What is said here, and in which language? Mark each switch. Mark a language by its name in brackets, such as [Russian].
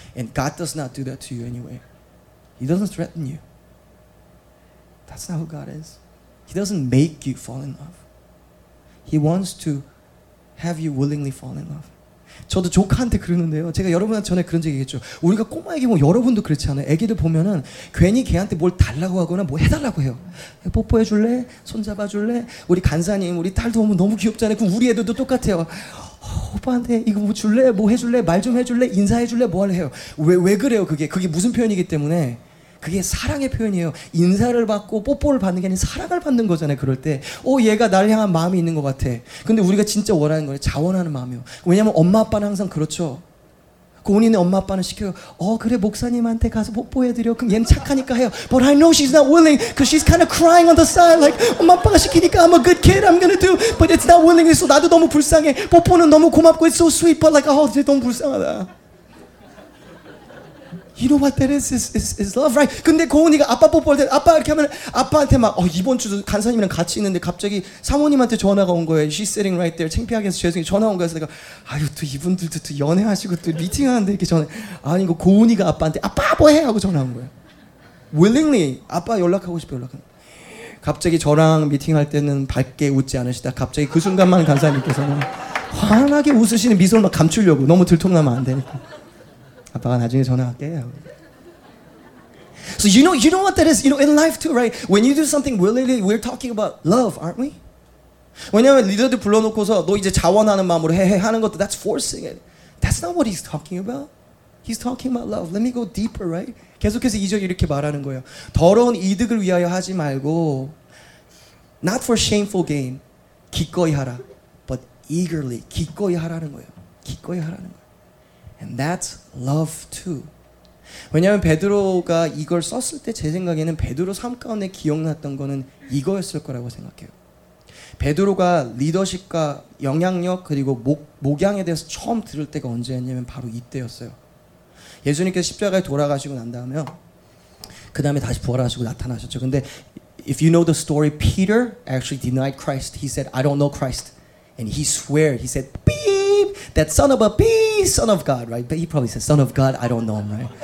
[English] And God does not do that to you anyway. He doesn't threaten you. That's not who God is. He doesn't make you fall in love. He wants to have you willingly fall in love. [Korean] 저도 조카한테 그러는데요. 제가 여러분한테 전에 그런 적이 있죠. 우리가 꼬마에게 뭐 여러분도 그렇지 않아요. 애기들 보면은 괜히 걔한테 뭘 달라고 하거나 뭐 해달라고 해요. 뽀뽀해 줄래? 손 잡아줄래? 우리 간사님 우리 딸도 보면 너무 귀엽잖아요. 그럼 우리 애들도 똑같아요. 오빠한테 이거 뭐 줄래? 뭐 해줄래? 말 좀 해줄래? 인사해줄래? 뭐 할래요? 왜 그래요? 그게 무슨 표현이기 때문에 그게 사랑의 표현이에요. 인사를 받고 뽀뽀를 받는 게 아니라 사랑을 받는 거잖아요. 그럴 때 오, 얘가 나를 향한 마음이 있는 것 같아. 근데 우리가 진짜 원하는 건 자원하는 마음이에요. 왜냐하면 엄마 아빠는 항상 그렇죠. 본인의 엄마 아빠는 시켜요. 어 그래 목사님한테 가서 뽀뽀해드려. 그럼 얘는 착하니까 해요. [English] But I know she's not willing because she's kind of crying on the side. Like [Korean] 엄마 아빠가 시키니까 [English] I'm a good kid. I'm gonna do. But it's not willing. [Korean] So 나도 너무 불쌍해. 뽀뽀는 너무 고맙고 [English] it's so sweet. But like [Korean] 어, 너무 불쌍하다. [English] You know what that is? It's love, right? [Korean] 근데 고은이가 아빠 뽀뽀할 때 아빠 이렇게 하면 아빠한테 막 어, 이번 주도 간사님이랑 같이 있는데 갑자기 사모님한테 전화가 온 거예요. [English] She's sitting right there. [Korean] 창피하게 해서 죄송해요. 전화 온 거여서 내가 아유 또 이분들도 또 연애하시고 또 미팅하는데 이렇게 전화 아니 이거 고은이가 아빠한테 아빠 뭐해? 하고 전화 온 거예요. Willingly 아빠 연락하고 싶어 연락하는 갑자기 저랑 미팅할 때는 밝게 웃지 않으시다 갑자기 그 순간만 간사님께서는 환하게 웃으시는 미소를 막 감추려고 너무 들통나면 안 되니까 아빠가 나중에 전화할게요. [English] So you know what that is? You know in life too, right? When you do something willingly, we're talking about love, aren't we? [Korean] 왜냐면 리더들 불러놓고서 너 이제 자원하는 마음으로 해 하는 것도 [English] that's forcing it. That's not what he's talking about. He's talking about love. Let me go deeper, right? [Korean] 계속해서 이 절 이렇게 말하는 거예요. 더러운 이득을 위하여 하지 말고 [English] not for shameful gain, [Korean] 기꺼이 하라. [English] But eagerly, [Korean] 기꺼이 하라는 거예요. 기꺼이 하라는 거예요. [English] And that's love too. [Korean] 왜냐하면 베드로가 이걸 썼을 때 제 생각에는 베드로 삶 가운데 기억났던 거는 이거였을 거라고 생각해요. 베드로가 리더십과 영향력 그리고 목양에 대해서 처음 들을 때가 언제였냐면 바로 이때였어요. 예수님께서 십자가에 돌아가시고 난 다음에 그 다음에 다시 부활하시고 나타나셨죠. [English] 근데 if you know the story, Peter actually denied Christ. He said, I don't know Christ. And he sweared. He said, beep, that son of a beep, son of God, right? But he probably said, son of God, I don't know him, right?